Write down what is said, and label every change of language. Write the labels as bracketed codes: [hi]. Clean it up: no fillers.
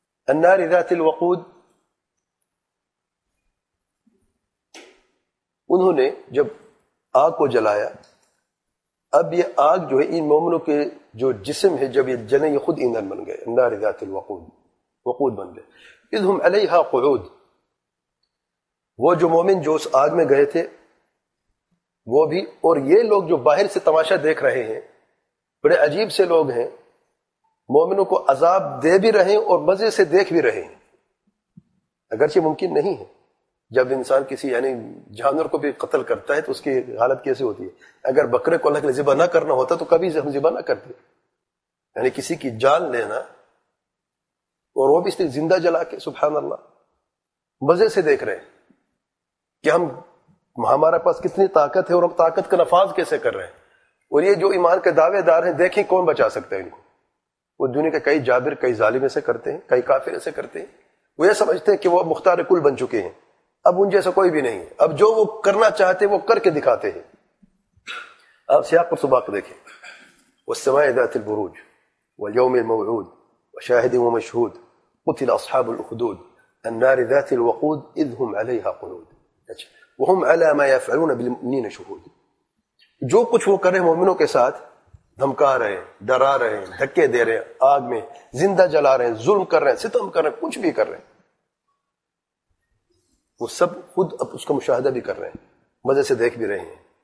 [ar] النار ذات الوقود, [ur] انہوں نے جب آگ کو جلایا, اب یہ آگ جو ہے ان مومنوں کے جو جسم ہے جب یہ جلیں یہ خود ایندھن بن گئے. [ar] النار ذات الوقود, [ur] وقود بن گئے. [ar] اذ هم علیہا قعود, [ur] وہ جو مومن جو اس آگ میں گئے تھے وہ بھی, اور یہ لوگ جو باہر سے تماشا دیکھ رہے ہیں, بڑے عجیب سے لوگ ہیں, مومنوں کو عذاب دے بھی رہے ہیں اور مزے سے دیکھ بھی رہے ہیں. اگرچہ ممکن نہیں ہے, جب انسان کسی یعنی جانور کو بھی قتل کرتا ہے تو اس کی حالت کیسے ہوتی ہے؟ اگر بکرے کو اللہ کے لیے ذبح نہ کرنا ہوتا تو کبھی ہم ذبح نہ کرتے. یعنی کسی کی جان لینا اور وہ بھی اس نے زندہ جلا کے, سبحان اللہ, مزے سے دیکھ رہے ہیں کہ ہم ہمارا پاس کتنی طاقت ہے اور ہم طاقت کا نفاذ کیسے کر رہے ہیں. اور یہ جو ایمان کے دعوے دار ہیں, دیکھیں کون بچا سکتا ہے ان کو. وہ دنیا کے کئی جابر کئی ظالم ایسے کرتے ہیں, کئی کافر ایسے کرتے ہیں, وہ یہ سمجھتے ہیں کہ وہ مختار کل بن چکے ہیں, اب ان جیسا کوئی بھی نہیں ہے, اب جو وہ کرنا چاہتے ہیں وہ کر کے دکھاتے ہیں. آپ سیاق پر سباق دیکھیں, [ar] والسماء ذات البروج والیوم الموعود وشاہد ومشہود قتل اصحاب الاخدود النار ذات الوقود اذ هم علیہا قعود وهم على ما يفعلون بالمؤمنين شهود. [ur] جو کچھ وہ کر رہے ہیں مومنوں کے ساتھ, دھمکا رہے ہیں, ڈرا رہے ہیں, دھکے دے رہے ہیں, آگ میں زندہ جلا رہے ہیں, ظلم کر رہے ہیں, ستم کر رہے ہیں, کچھ بھی کر رہے ہیں, وہ سب خود اب اس کا مشاہدہ بھی کر رہے ہیں, مزے سے دیکھ بھی رہے ہیں.